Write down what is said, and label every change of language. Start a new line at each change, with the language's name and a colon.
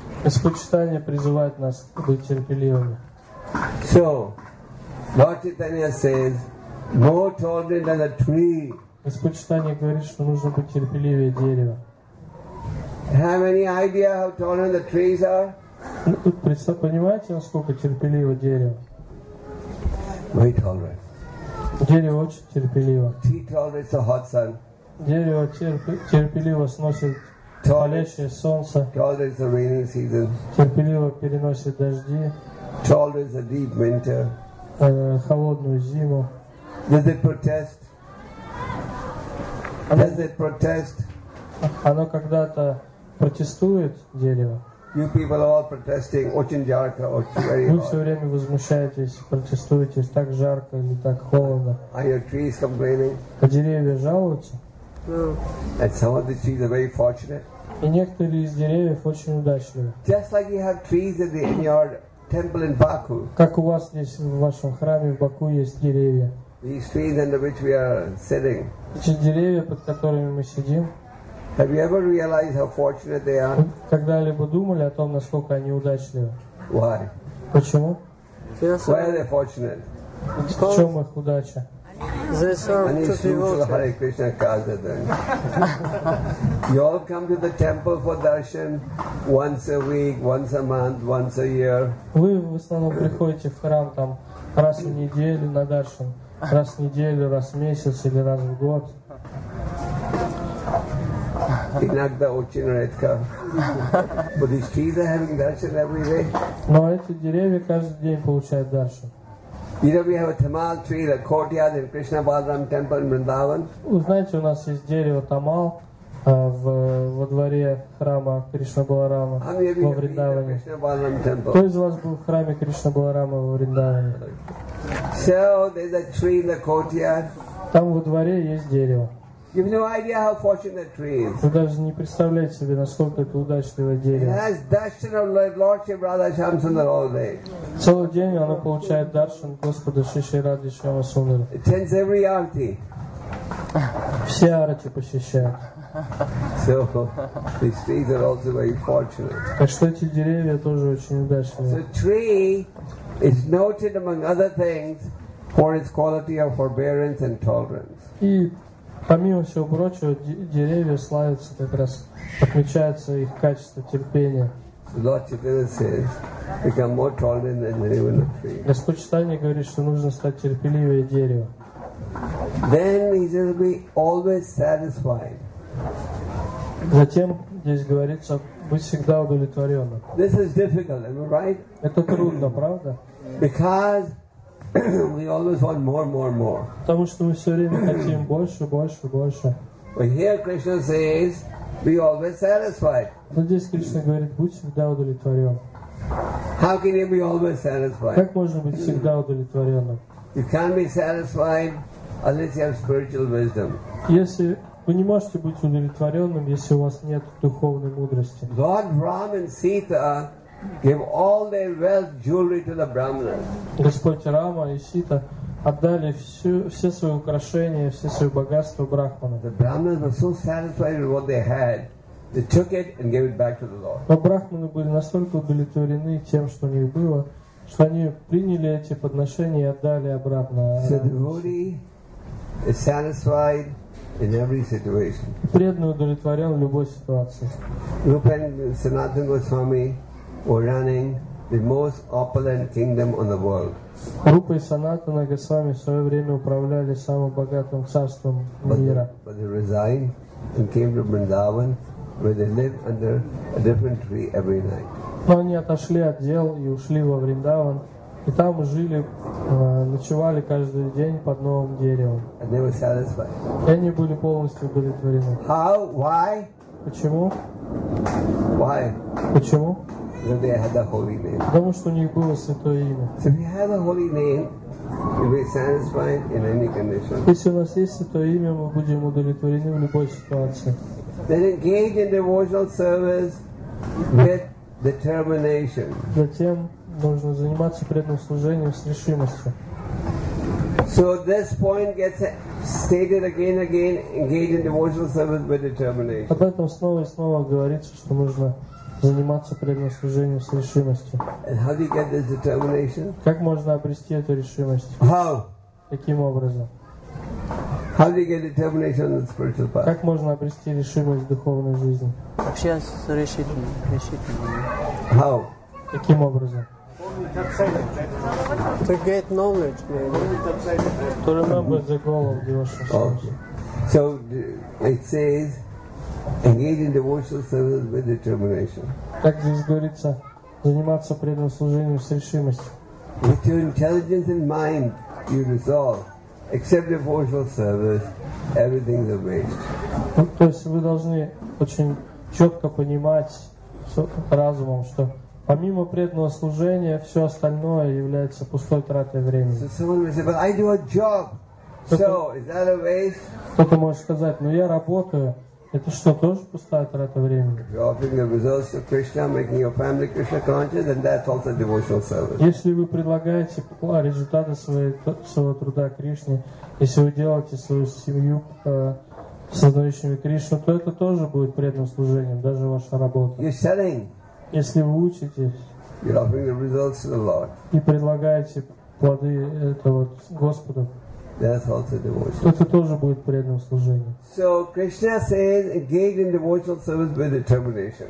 Russian: Господь призывает нас быть терпеливыми.
English: So, Lord Chaitanya says, more tolerant than a tree.
Russian: Господь Chaitanya говорит, что нужно быть терпеливее дерева.
English: Have any idea how tolerant the trees are?
Russian: Тут понимаете, насколько терпеливо дерево?
English: Very tolerant.
Russian: Дерево очень терпеливо.
English: Tree tolerates the hot sun.
Russian: Дерево терпеливо сносит палящее солнце,
English: tolerates the rainy season,
Russian: терпеливо переносит дожди,
English: tolerates the deep winter,
Russian: холодную зиму.
English: Does it protest? Does it protest?
Russian: Оно когда-то протестует дерево.
English: You people are all protesting.
Russian: Очень жарко, очень
English: very hot.
Russian: Вы все время возмущаетесь, протестуете, так жарко или так холодно.
English: Are your trees complaining?
Russian: А деревья жалуются?
English: No. And some of the trees are very fortunate.
Russian: И некоторые из деревьев очень удачливы.
English: Just like you have trees in your temple in Baku.
Russian: Как у вас здесь в вашем храме в Баку есть деревья.
English: These trees under which we are sitting.
Russian: Эти деревья, под которыми мы сидим.
English: Have you ever realized how fortunate they are?
Russian: Когда-либо думали о том, насколько они удачливы?
English: Why?
Russian: Почему?
English: Why are they fortunate?
Russian: В чем их удача?
English: Any spiritual Hare Krishna Kaza then. You all come to the temple for darshan once a week, once a month, once a year.
Russian: Вы в основном приходите в храм там раз в неделю на даршан, раз в неделю, раз в месяц или раз в год. Иногда очень редко.
English: But these trees are having darshan every day.
Russian: Но эти деревья каждый день получают даршан.
English: You know, we have a tamal tree, the courtyard in Krishna Balaram temple in Vrindavan.
Russian: Вы знаете, у нас есть дерево тамал во дворе храма Кришна Баларама во Вриндаване. Кто из вас был в храме Кришна Баларама во Вриндаване?
English: So there's a tree in the courtyard.
Russian: Там во дворе есть дерево.
English: You have no idea how fortunate tree is.
Russian: Вы даже не представляете себе, насколько это удачное дерево.
English: It has darshan of Lord Shri Radha Shyamasundar all day.
Russian: Целый день оно получает даршан Господа Шри Шри Радхи Шьямасундара.
English: It attends every arati.
Russian: Все арати посещают.
English: So these trees are also very fortunate.
Russian: Так что эти деревья тоже очень удачные.
English: The tree is noted among other things for its quality of forbearance and tolerance.
Russian: И помимо всего прочего, деревья славятся как раз, отмечается их качество терпения.
English: Lord Chaitanya says, become more tolerant than any other tree.
Russian: Господь Читание говорит, что нужно стать терпеливее дерева.
English: Then he says, be always satisfied.
Russian: Затем здесь говорится, быть всегда удовлетворенным.
English: This is difficult, am I right?
Russian: Это трудно, правда?
English: Because we always want more, more, more.
Russian: Потому что мы все время хотим больше, больше, больше.
English: But here Krishna says, be always satisfied.
Russian: Но здесь Кришна говорит, будь всегда удовлетворенным.
English: How can you be always satisfied?
Russian: Как можно быть всегда удовлетворенным?
English: You can't be satisfied unless you have spiritual wisdom.
Russian: Если вы не можете быть удовлетворенным, если у вас нет духовной мудрости.
English: Lord Ram and Sita gave all their wealth, jewelry to the Brahmanas.
Russian: Господь Рама и Сита отдали все свои украшения, все свои богатства брахманам.
English: The Brahmanas were so satisfied with what they had, they took it and gave it back to the Lord.
Russian: Но брахманы были настолько удовлетворены тем, что у них было, что они приняли эти подношения и отдали обратно.
English: So devotee is satisfied in every situation.
Russian: Преданный удовлетворен в любой ситуации.
English: Rupa and Sanatana Goswami were running the most opulent kingdom on the world.
Russian: Rupa и Sanatana Goswami в свое время управляли самым богатым царством мира.
English: But they resigned and came to Vrindavan, where they lived under a different tree every night.
Russian: Но они отошли от дел и ушли во Вриндаван. И там жили, ночевали каждый день под новым деревом.
English: And they were satisfied.
Russian: И они были полностью удовлетворены.
English: How? Why?
Russian: Почему?
English: Why?
Russian: Почему?
English: Because they had the holy name.
Russian: Потому что у них было святое имя.
English: So if you have a holy name, you'll be satisfied in any condition.
Russian: Если у нас есть святое имя, мы будем удовлетворены в любой ситуации.
English: Then engage in devotional service with determination.
Russian: Затем нужно заниматься преданным служением с решимостью.
English: So this point gets stated again and again, engage in devotional service with determination.
Russian: Об этом снова и снова говорится, что нужно заниматься преданным служением с решимостью.
English: And how do you get this determination?
Russian: Как можно обрести эту решимость?
English: How?
Russian: Каким образом?
English: How do you get determination on the spiritual path?
Russian: Как можно обрести решимость в духовной жизни? Вообще с решительным.
English: How?
Russian: Каким образом?
English: To get knowledge, maybe. To remember the goal of devotion. Okay. So it says, engage in devotional service with determination.
Russian: Как здесь говорится, заниматься преданным служением с решимостью.
English: With your intelligence and mind, you resolve. Except devotional service, everything is a waste.
Russian: То есть вы должны очень четко понимать разумом, что помимо преданного служения, все остальное является пустой тратой времени.
English: So someone will say, but I do a job. So is that a waste?
Russian: Кто-то может сказать, но я работаю. Это что, тоже пустая трата времени?
English: If you're offering the results to Krishna, making your family Krishna conscious, then that's also devotional service.
Russian: Если вы предлагаете результаты своего труда Кришне, если вы делаете свою семью создающими Кришну, то это тоже будет преданным служением, даже ваша работа.
English: You're selling.
Russian: Если вы учитесь,
English: you're offering the results to the Lord.
Russian: И предлагаете плоды этого Господу,
English: that's also devotion.
Russian: Это тоже будет преданным служением.
English: So Krishna says, engage in devotional service with determination.